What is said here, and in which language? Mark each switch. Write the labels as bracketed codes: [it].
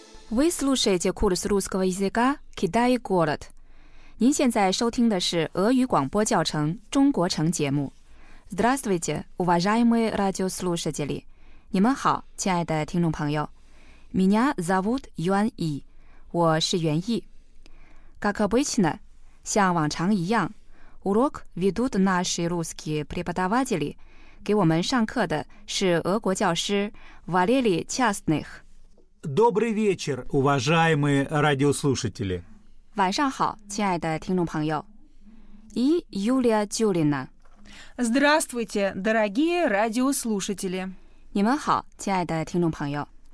[ru] Вы слушаете курс русского языка «Китай город». [zh] 您现在收听的是俄语广播教程《中国城》节目。 [ru] Здравствуйте, уважаемые радиослушатели! [zh] 你们好，亲爱的听众朋友。 [ru] Меня зовут Юан И, [zh] 我是袁毅。 [ru] Как обычно, [zh] 像往常一样 [ru] ,урок ведут наши русские преподаватели, [zh] 给我们上课的是俄国教师 [ru] Валерий Частных。 Добрый вечер, уважаемые радиослушатели. [zh] 晚上好，亲爱的听众朋友。 [ru] И Юлия Дюлина. Здравствуйте, дорогие радиослушатели. [zh] 你们好，亲爱的听众朋友。